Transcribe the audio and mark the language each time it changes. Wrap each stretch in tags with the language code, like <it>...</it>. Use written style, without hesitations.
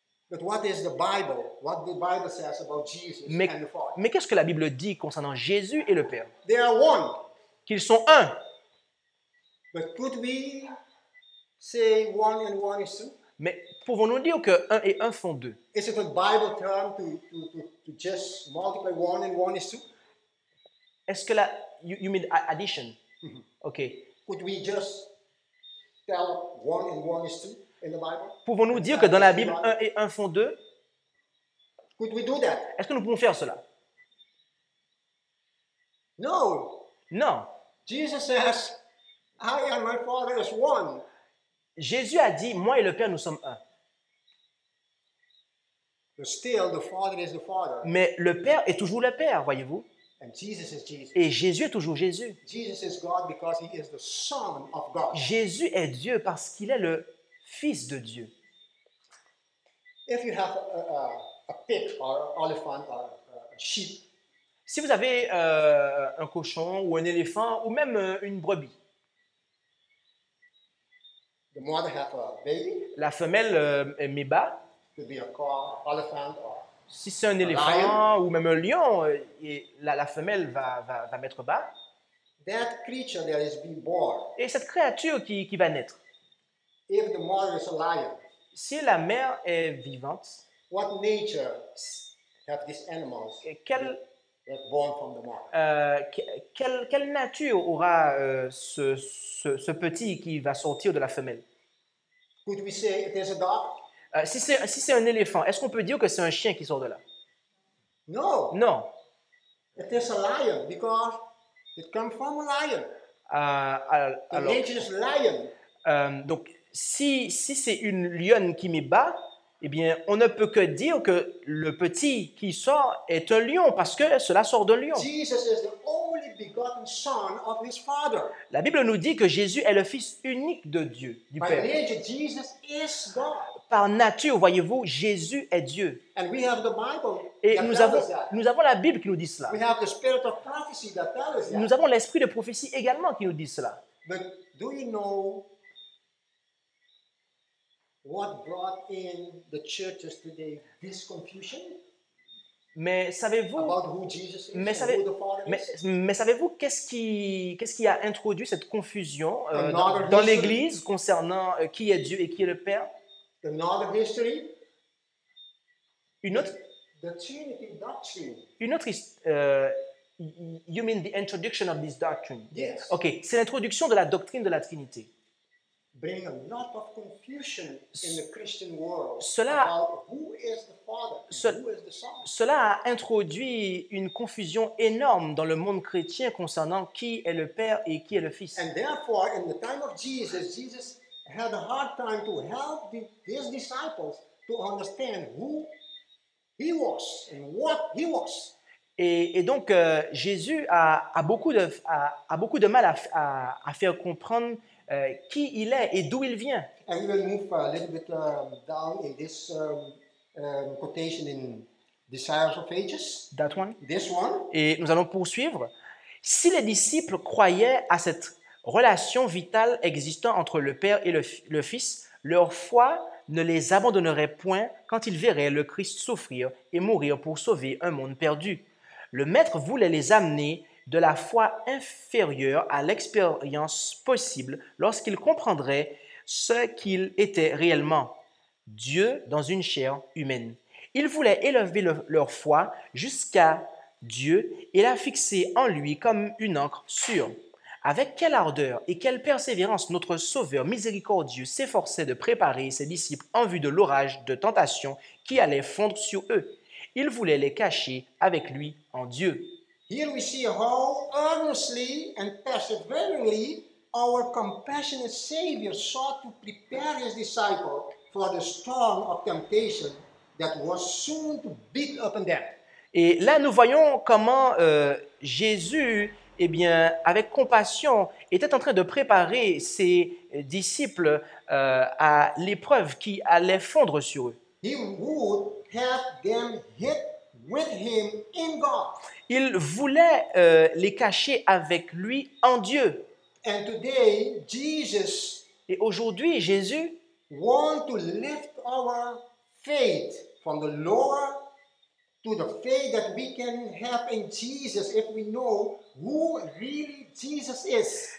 <en>But what is the Bible? What the Bible says about Jesus and the Father?</en> <fr>Mais qu'est-ce que la Bible dit concernant Jésus et le Père?</fr> <en>They are one.</en> <fr>Qu'ils sont un.</fr> <en>But could we say one and one is two?</en> <fr>Mais pouvons-nous dire que un et un font deux?</fr> <en>Is it a Bible term to just multiply one and one is two?</en> <fr>Est-ce que la</fr> <en>you mean addition? Mm-hmm. Okay. Could we just tell one and one is two in the Bible?</en> <fr>Pouvons-nous dire que dans la Bible un et un font deux?</fr> <en>Could we do that?</en> <fr>Est-ce que nous pouvons faire cela?</fr> <en>No.</en> <fr>Non.</fr> <en>Jesus says, I and my Father is one.</en> <fr>Jésus a dit, moi et le Père, nous sommes un.</fr> <en>But still, the Father is the Father.</en> <fr>Mais le Père est toujours le Père, voyez-vous.</fr> <en>And Jesus is Jesus.</en> <fr>Et Jésus est toujours Jésus.</fr> <en>Jesus is God because he is the Son of God.</en> <fr>Jésus est Dieu parce qu'il est le Fils de Dieu.</fr> <en>If you have a pig or an elephant or a sheep.</en> <fr>Si vous avez un cochon ou un éléphant ou même une brebis.</fr> <en>The mother has a baby.</en> <fr>La femelle est méba.</fr> <en>Could be a calf, elephant, or</en> <fr>si c'est un éléphant</fr> <en>lion.</en> <fr>Ou même un lion, et la femelle va mettre bas.</fr> <en>That creature that is being born.</en> <fr>Et cette créature qui va naître.</fr> <en>If the mother is alive.</en> <fr>Si la mère est vivante.</fr> <en>What nature have these animals?</en> <fr>Et quelle</fr> <en>born from the mother.</en> <fr>Quelle nature aura ce petit qui va sortir de la femelle?</fr> <en>Could we say it is a dog?</en> <fr>Si c'est un éléphant, est-ce qu'on peut dire que c'est un chien qui sort de là?</fr> <en>No.</en> <fr>Non.</fr> <en>It is a lion because it comes from a lion.</en> <fr>Alors,</fr> <en>the nature is lion.</en> <fr>Donc si c'est une lionne qui m'y bat, eh bien on ne peut que dire que le petit qui sort est un lion parce que cela sort d'un lion.</fr> <en>Jesus is the only begotten son of his father.</en> <fr>La Bible nous dit que Jésus est le fils unique de Dieu, du</fr> <en>By</en> <fr>Père.</fr> <en>By nature, Jesus is God.</en> <fr>Par nature, voyez-vous, Jésus est Dieu.</fr> <en>And we have the Bible</en> <fr>et nous avons la Bible qui nous dit cela.</fr> <en>We have the spirit of prophecy that tells us</en> <fr>nous</fr> <en>that.</en> <fr>Avons l'esprit de prophétie également qui nous dit cela.</fr> <en>But do you know what brought in the churches today this confusion?</en> <fr>Mais savez-vous qu'est-ce qui a introduit cette confusion dans l'Église concernant qui est Dieu et qui est le Père?</fr> <en>Another history.</en> <fr>Une autre.</fr> <en>The Trinity doctrine.</en> <fr>Une autre.</fr> <en>You mean the introduction of this doctrine? Yes. Okay.</en> <fr>C'est l'introduction de la doctrine de la Trinité.</fr> <en>Bring a lot of confusion in the Christian world.</en> <fr>Cela.</fr> <en>About who is the Father? Who is the Son?</en> <fr>Cela a introduit une confusion énorme dans le monde chrétien concernant qui est le Père et qui est le Fils.</fr> <en>And therefore, in the time of Jesus, Jesus had a hard time to help his disciples to understand who he was and what he was.</en> <fr>Et donc Jésus a beaucoup de mal à faire comprendre qui il est et d'où il vient.</fr> <en>And we will move a little bit down in this quotation in Desires of Ages. That one. This one.</en> <fr>Et nous allons poursuivre. Si les disciples croyaient à cette relation vitale existant entre le Père et le Fils, leur foi ne les abandonnerait point quand ils verraient le Christ souffrir et mourir pour sauver un monde perdu. Le Maître voulait les amener de la foi inférieure à l'expérience possible lorsqu'ils comprendraient ce qu'ils étaient réellement, Dieu dans une chair humaine. Il voulait élever leur foi jusqu'à Dieu et la fixer en lui comme une ancre sûre. Avec quelle ardeur et quelle persévérance notre Sauveur miséricordieux s'efforçait de préparer ses disciples en vue de l'orage de tentation qui allait fondre sur eux. Il voulait les cacher avec lui en Dieu.</fr> <en>Here we see how earnestly and perseveringly our compassionate Savior sought to prepare his disciples for the storm of temptation that was soon to beat upon them.</en> <fr>Et là, nous voyons comment Jésus, eh bien, avec compassion, était en train de préparer ses disciples à l'épreuve qui allait fondre sur eux.</fr> <en>He would have them hit with him in God.</en> <fr>Il voulait les cacher avec lui en Dieu.</fr> <en>And today, Jesus</en> <fr>et aujourd'hui, Jésus</fr> <en>want to lift our faith from the lower to the faith that we can have in Jesus if we know who really Jesus is.</en>